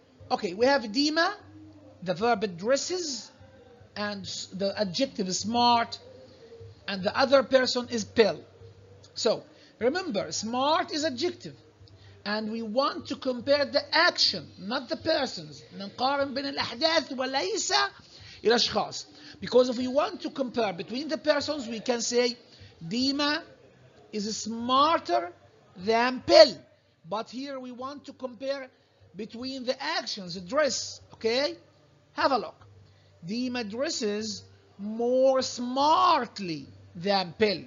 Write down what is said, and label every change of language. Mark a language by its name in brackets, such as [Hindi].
[English] Okay, we have Dima, the verb dresses, and the adjective is smart, and the other person is Bill. So remember, smart is adjective, and we want to compare the action, not the persons. [Arabic] نقارن بين الأحداث وليس الأشخاص. [English] Because if we want to compare between the persons, we can say Dima is smarter than Bill. But here we want to compare between the actions, the dress. Okay, have a look. Dima dresses more smartly than Bill.